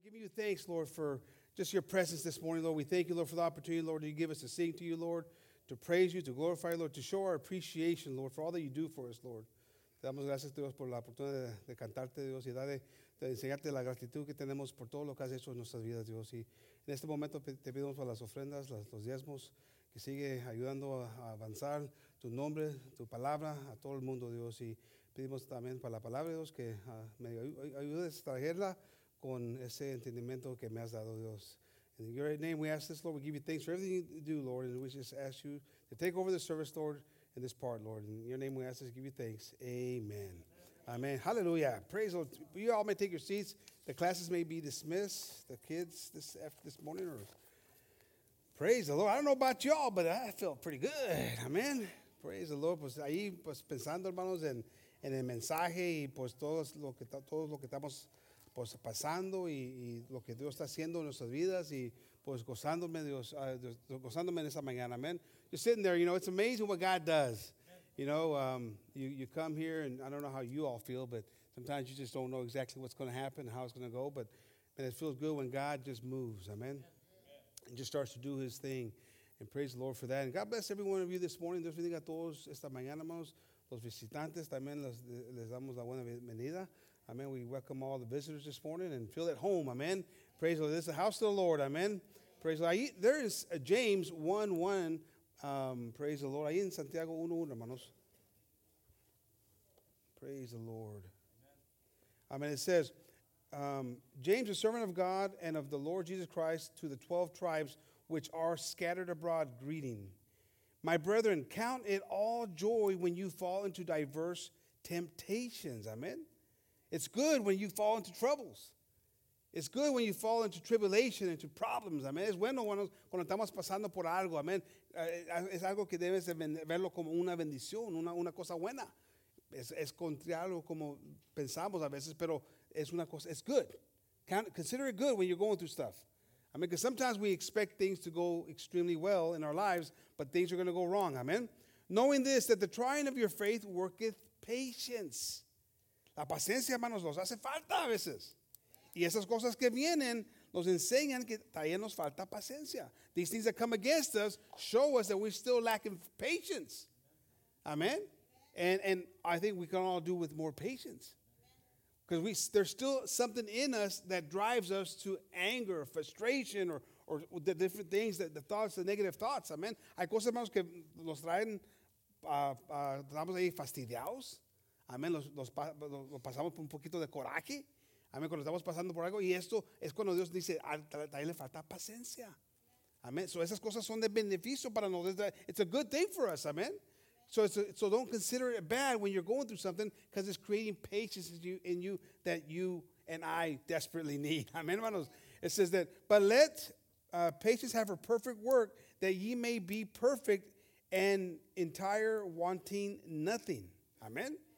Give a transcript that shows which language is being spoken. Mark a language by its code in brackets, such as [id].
[en] give you thanks, Lord, for just your presence this morning, Lord. We thank you, Lord, for the opportunity, Lord, that you give us to sing to you, Lord, to praise you, to glorify you, Lord, to show our appreciation, Lord, for all that you do for us, Lord. [es] Te damos gracias, Dios, por la oportunidad de cantarte, Dios, y de enseñarte la gratitud que tenemos por todo lo que has hecho en nuestras vidas, Dios. Y en este momento te pedimos por las ofrendas, los diezmos, que sigue ayudando a avanzar tu nombre, tu palabra a todo el mundo, Dios. Y pedimos también para la palabra, Dios, que me ayudes a traerla con ese entendimiento que me has dado, Dios. [en] In your name we ask this, Lord. We give you thanks for everything you do, Lord. And we just ask you to take over the service, Lord, in this part, Lord. In your name we ask this, give you thanks. Amen. Amen. Hallelujah. Praise the Lord. You all may take your seats. The classes may be dismissed. The kids this morning. Or praise the Lord. I don't know about y'all, but I feel pretty good. Amen. Praise the Lord. [es] Pues ahí, pues pensando, hermanos, en el mensaje y pues todo lo que estamos pues pasando y lo que Dios está haciendo en nuestras vidas y pues gozándome en esa mañana. [en] Amen. Just sitting there, you know, it's amazing what God does. You know, you come here, and I don't know how you all feel, but sometimes you just don't know exactly what's going to happen, how it's going to go, but man, it feels good when God just moves, amen, and just starts to do his thing, and praise the Lord for that. And God bless every one of you this morning. [es] Dios bendiga a todos esta mañana, hermanos, los visitantes, también les damos la buena bienvenida, amen. [en] We welcome all the visitors this morning and feel at home, amen. Praise the Lord. This is the house of the Lord, amen. Praise the Lord. There is a James 1:1. Praise the Lord. [es] Ahí en Santiago 1:1, hermanos. [en] Praise the Lord. Amen. I mean, it says, James, a servant of God and of the Lord Jesus Christ, to the 12 tribes which are scattered abroad, greeting. My brethren, count it all joy when you fall into diverse temptations. Amen. It's good when you fall into troubles. It's good when you fall into tribulation, into problems. [es] Amen. Es bueno cuando estamos pasando por algo. Amen. Es algo que debes verlo como una bendición, una cosa buena. Es contrario como pensamos a veces, pero es una cosa. [en] It's good. Consider it good when you're going through stuff. I mean, because sometimes we expect things to go extremely well in our lives, but things are going to go wrong. Amen. Knowing this, that the trying of your faith worketh patience. [es] La paciencia, hermanos, los hace falta a veces. Y esas cosas que vienen nos enseñan que también nos falta paciencia. [en] These things that come against us show us that we're still lacking patience. Amen? And I think we can all do with more patience. Because there's still something in us that drives us to anger, frustration, or the different things, that the thoughts, the negative thoughts. Amen? [es] Hay cosas, hermanos, que nos traen, estamos ahí fastidiados. Amen? Los pasamos por un poquito de coraje. Amén, cuando estamos pasando por algo, y esto es cuando Dios dice, ahí le falta paciencia. Amén, so esas cosas son de beneficio para nosotros. [en] It's a good thing for us, [es] amén. [en] So don't consider it bad when you're going through something, because it's creating patience in you that you and I desperately need. [es] Amén, hermanos. [en] It says that, but let patience have her perfect work, that ye may be perfect and entire, wanting nothing. Amén.